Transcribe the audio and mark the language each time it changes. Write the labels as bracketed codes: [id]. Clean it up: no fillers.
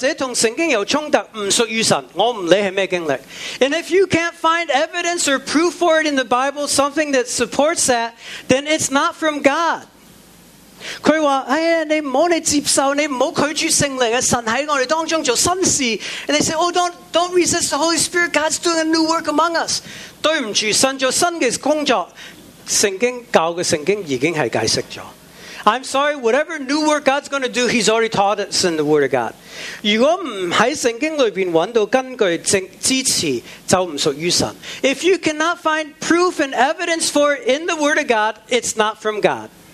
[zh] 如果圣经没有的,或者跟圣经有冲突,不属于神,我不理是什么经历. [en] And if you can't find evidence or proof for it in the Bible, something that supports that, then it's not from God. [zh] 他说,哎呀,你不要接受,你不要拒绝圣灵,神在我们当中做新事. [en] And they say, oh, don't resist the Holy Spirit, God's doing a new work among us. [zh] 对不起,神做新的工作,圣经教的圣经已经是解释了。 [en] I'm sorry, whatever new work God's going to do, He's already taught us in the Word of God. [zh] 如果不在圣经里面找到根据支持,就不属于神. [en] If you cannot find proof and evidence for it in the Word of God, it's not from God.